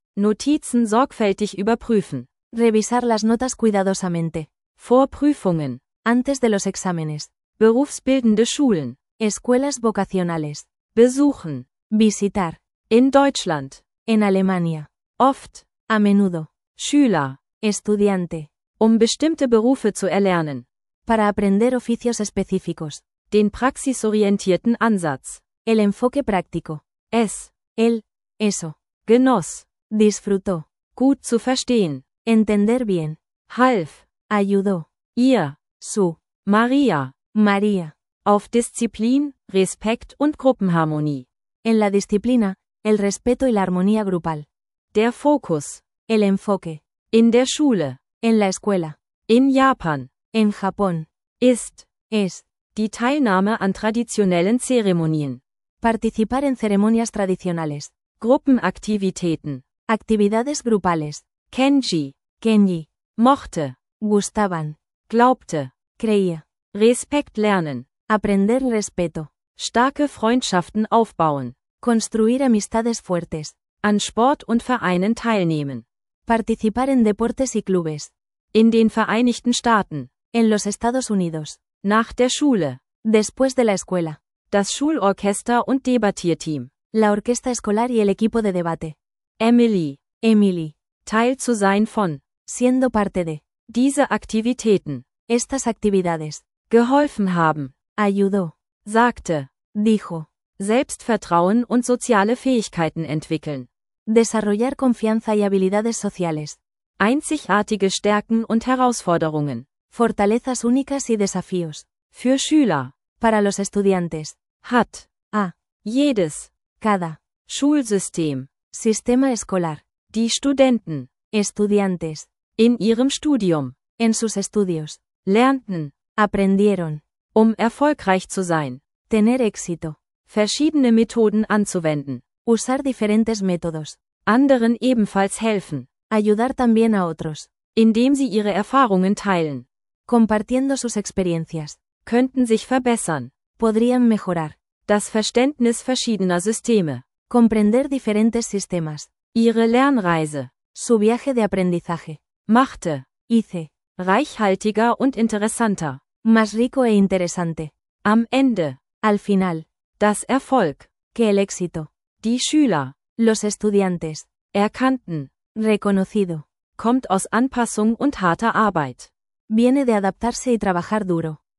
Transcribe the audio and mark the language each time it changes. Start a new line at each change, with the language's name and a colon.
German: Notizen sorgfältig überprüfen.
Spanish: Revisar las notas cuidadosamente.
German: Vorprüfungen.
Spanish: Antes de los exámenes.
German: Berufsbildende Schulen.
Spanish: Escuelas vocacionales.
German: Besuchen.
Spanish: Visitar.
German: In Deutschland.
Spanish: En Alemania.
German: Oft.
Spanish: A menudo.
German: Schüler.
Spanish: Estudiante.
German: Um bestimmte Berufe zu erlernen.
Spanish: Para aprender oficios específicos.
German: Den praxisorientierten Ansatz.
Spanish: El enfoque práctico.
German: Es.
Spanish: El. Eso.
German: Genoss.
Spanish: Disfrutó.
German: Gut zu verstehen.
Spanish: Entender bien.
German: Half.
Spanish: Ayudó.
German: Ihr.
Spanish: Su.
German: Maria.
Spanish: María.
German: Auf Disziplin, Respekt und Gruppenharmonie.
Spanish: En la disciplina, el respeto y la armonía grupal.
German: Der Fokus.
Spanish: El enfoque.
German: In der Schule.
Spanish: En la escuela.
German: In Japan.
Spanish: En Japón.
German: Ist.
Spanish: Es.
German: Die Teilnahme an traditionellen Zeremonien.
Spanish: Participar en ceremonias tradicionales.
German: Gruppenaktivitäten.
Spanish: Actividades grupales.
German: Kenji.
Spanish: Kenji.
German: Mochte.
Spanish: Gustaban.
German: Glaubte.
Spanish: Creía.
German: Respekt lernen.
Spanish: Aprender respeto.
German: Starke Freundschaften aufbauen.
Spanish: Construir amistades fuertes.
German: An Sport und Vereinen teilnehmen.
Spanish: Participar en deportes y clubes.
German: In den Vereinigten Staaten.
Spanish: En los Estados Unidos.
German: Nach der Schule.
Spanish: Después de la escuela.
German: Das Schulorchester und Debattierteam.
Spanish: La orquesta escolar y el equipo de debate.
German: Emily.
Spanish: Emily.
German: Teil zu sein von.
Spanish: Siendo parte de.
German: Diese Aktivitäten.
Spanish: Estas actividades.
German: Geholfen haben.
Spanish: Ayudó.
German: Sagte.
Spanish: Dijo.
German: Selbstvertrauen und soziale Fähigkeiten entwickeln.
Spanish: Desarrollar confianza y habilidades sociales.
German: Einzigartige Stärken und Herausforderungen.
Spanish: Fortalezas únicas y desafíos.
German: Für Schüler.
Spanish: Para los estudiantes.
German: Hat.
Spanish: A.
German: Jedes.
Spanish: Cada.
German: Schulsystem.
Spanish: Sistema escolar.
German: Die Studenten.
Spanish: Estudiantes.
German: In ihrem Studium.
Spanish: En sus estudios.
German: Lernten.
Spanish: Aprendieron.
German: Um erfolgreich zu sein.
Spanish: Tener éxito.
German: Verschiedene Methoden anzuwenden.
Spanish: Usar diferentes métodos.
German: Anderen ebenfalls helfen.
Spanish: Ayudar también a otros.
German: Indem sie ihre Erfahrungen teilen.
Spanish: Compartiendo sus experiencias.
German: Könnten sich verbessern.
Spanish: Podrían mejorar.
German: Das Verständnis verschiedener Systeme.
Spanish: Comprender diferentes sistemas.
German: Ihre Lernreise.
Spanish: Su viaje de aprendizaje.
German: Machte.
Spanish: Hice.
German: Reichhaltiger und interessanter.
Spanish: Más rico e interesante.
German: Am Ende.
Spanish: Al final.
German: Das Erfolg.
Spanish: Que el éxito.
German: Die Schüler.
Spanish: Los estudiantes.
German: Erkannten.
Spanish: Reconocido.
German: Kommt aus Anpassung und harter Arbeit.
Spanish: Viene de adaptarse y trabajar duro.